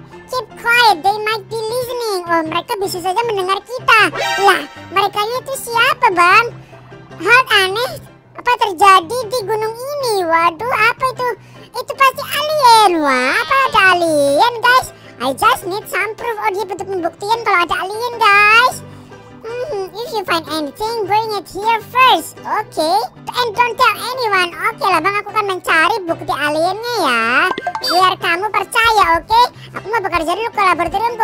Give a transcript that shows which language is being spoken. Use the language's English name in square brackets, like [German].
[English] keep quiet, they might be listening. [Indonesian] Oh, mereka bisa saja mendengar kita. Lah, mereka itu siapa, Bang? Hal aneh, apa terjadi di gunung ini? Waduh, apa itu? Itu pasti alien. Wah, apa ada alien, guys? [English] I just need some proof. [Indonesian] Oh, dia betul membuktikan kalau ada alien, guys. [English] If you find anything, bring it here first, okay? And don't tell anyone. [Indonesian] Okay lah, Bang, aku akan mencari bukti aliennya ya. Biar kamu percaya, okay? Aku mau bekerja dulu ke laboratoriumku.